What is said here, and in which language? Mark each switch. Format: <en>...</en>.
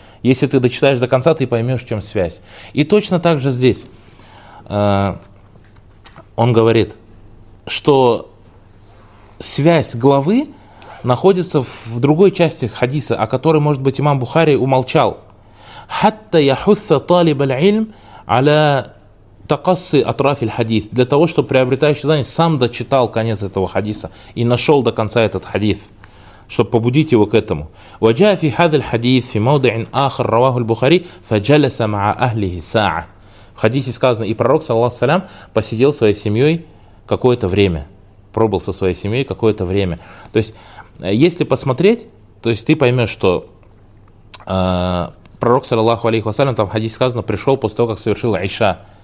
<ru>Если ты дочитаешь до конца, ты поймешь, в чем связь. И точно так же здесь он говорит, что связь главы находится в другой части хадиса, о которой, может быть, имам Бухари умолчал.</ru> <ar>«Хатта яхусса талиб аль-ильм аля такассы атрафиль хадис».</ar> <ru>Для того, чтобы приобретающий знание сам дочитал конец этого хадиса и нашел до конца этот хадис, чтобы побудить его к этому.</ru> <ar>وجاء في هذا الحديث في موضع آخر رواه البخاري فجلس مع أهله ساعة.</ar> <ru>В хадисе сказано, и пророк, саллаллаху алейхи ва саллям, посидел со своей семьей какое-то время. Пробыл со своей семьей какое-то время. То есть, если посмотреть, то есть ты поймешь, что пророк, саллаллаху алейхи ва саллям, там в хадисе сказано, пришел после того, как совершил Иша.</ru>